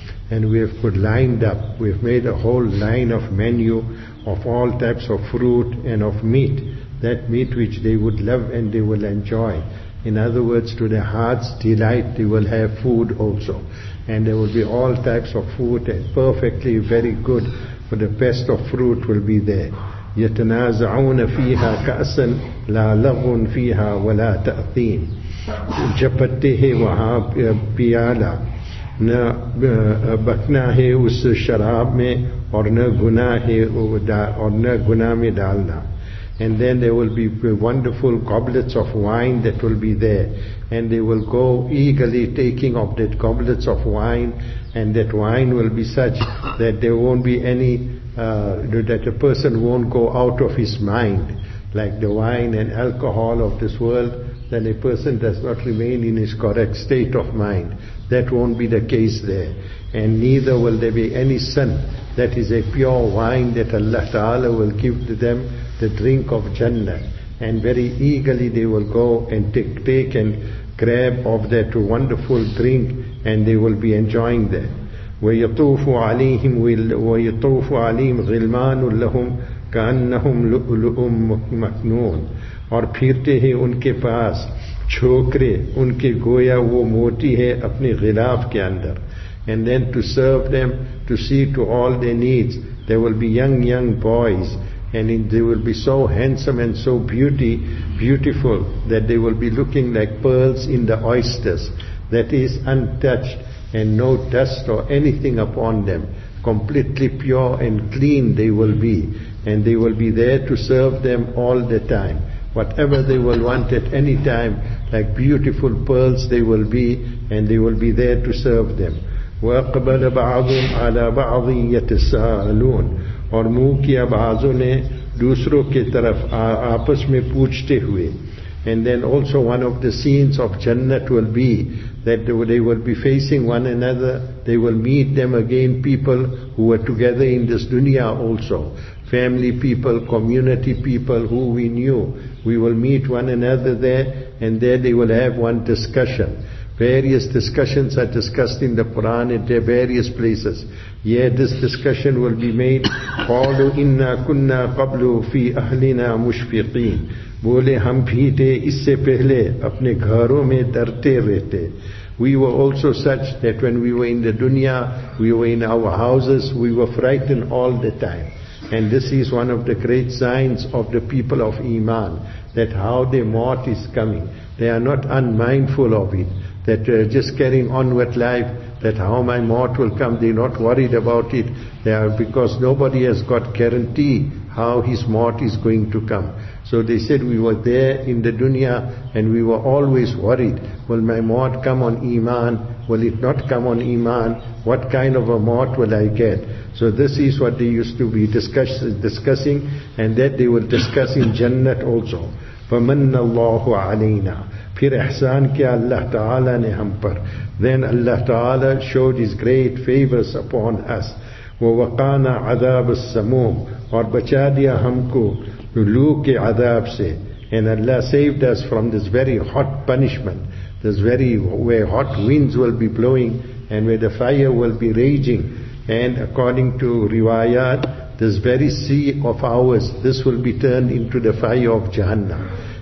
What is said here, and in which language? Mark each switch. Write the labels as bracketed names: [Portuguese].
[English] And we have put lined up, we have made a whole line of menu of all types of fruit and of meat, that meat which they would love and they will enjoy. In other words, to their heart's delight, they will have food also. And there will be all types of food and perfectly very good, for the best of fruit will be there. [Arabic] يَتَنَازَعُونَ فِيهَا كَأْسًا لَا لَغُنْ فِيهَا وَلَا تَأْثِيمُ جَبَتِهِ وَهَا بِيَالَ [Urdu] نہ بکنا ہے اس شراب میں اور نہ گناہ ہے اور نہ گناہ میں ڈالنا. [English] And then there will be wonderful goblets of wine that will be there. And they will go eagerly taking of that goblets of wine. And that wine will be such that there won't be any, that a person won't go out of his mind. Like the wine and alcohol of this world, then a person does not remain in his correct state of mind. That won't be the case there. And neither will there be any sin. That is a pure wine that Allah Ta'ala will give to them, the drink of Jannah. And very eagerly they will go and take and grab of that wonderful drink, and they will be enjoying that. [Arabic] وَيَطُوفُ عَلِيهِمْ وَيَطُوفُ عَلِيهِمْ غِلْمَانٌ لَهُمْ كَأَنَّهُمْ لُؤْلُؤٌ مَكْنُونَ [Urdu] اور پھرتے ہیں ان کے پاس چھوکرے ان کے گویا وہ موتی ہے اپنے غلاف کے اندر. [English] And then to serve them, to see to all their needs, there will be young boys. And they will be so handsome and so beautiful that they will be looking like pearls in the oysters. That is untouched and no dust or anything upon them. Completely pure and clean they will be. And they will be there to serve them all the time. Whatever they will want at any time, like beautiful pearls they will be, and they will be there to serve them. [Arabic] وَأَقْبَلَ بَعْضُمْ عَلَى بَعْضٍ يَتَسَاءَلُونَ [Urdu] اور منہ کیا بعضوں نے دوسروں کے طرف آپس میں پوچھتے ہوئے. [English] And then also one of the scenes of Jannat will be that they will be facing one another, they will meet them again, people who were together in this dunya also, family people, community people who we knew, we will meet one another there, and there they will have one discussion. Various discussions are discussed in the Quran at their various places. Yet this discussion will be made. [Arabic] قَالُوا إِنَّا كُنَّا قَبْلُوا فِي أَهْلِنَا مُشْفِقِينَ [Urdu] بولے ہم بھی تھے اس سے پہلے اپنے گھروں میں ڈرتے رہتے. [English] We were also such that when we were in the dunya, we were in our houses, we were frightened all the time. And this is one of the great signs of the people of Iman, that how their mort is coming. They are not unmindful of it, that just carrying on with life, that how my mort will come, they're not worried about it. They are, because nobody has got guarantee how his mort is going to come. So they said, we were there in the dunya and we were always worried, will my mort come on Iman? Will it not come on Iman? What kind of a mort will I get? So this is what they used to be discussing, and that they will discuss in Jannat also. [Arabic] فَمَنَّ اللَّهُ عَلَيْنَا [Urdu] پھر احسان کیا اللہ تعالی نے ہم پر. [English] Then Allah Ta'ala showed His great favors upon us. [Arabic] وَوَقَانَ عَذَابَ السَّمُومِ [Urdu] اور بچا دیا ہم کو لو کے عذاب سے. [English] And Allah saved us from this very hot punishment, this very where hot winds will be blowing and where the fire will be raging. And according to riwayat, this very sea of ours, this will be turned into the fire of Jahannam.